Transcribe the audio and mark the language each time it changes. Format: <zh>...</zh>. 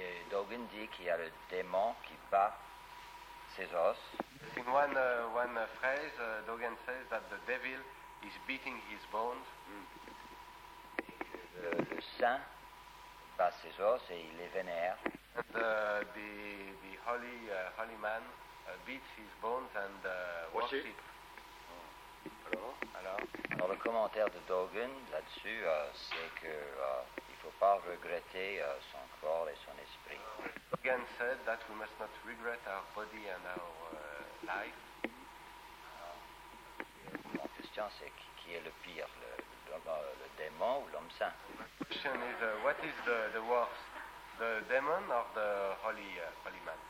<fr>Dogen dit qu'il y a le démon qui bat ses os.</fr> <en>In one phrase, Dogen says that the devil is beating his bones.</en> <fr>Le saint bat ses os et il les vénère.</fr> <en>The holy man beats his bones and worships.</en> <fr>Alors le commentaire de Dogen là-dessus, c'est que il faut pas regretter son corps et son esprit.</fr> <en>Dogen said that we must not regret our body and our life.</en> <fr>Ma question c'est qui est le pire, le démon ou l'homme saint?</fr> <en>My question is what is the worst, the demon or the holy man?</en>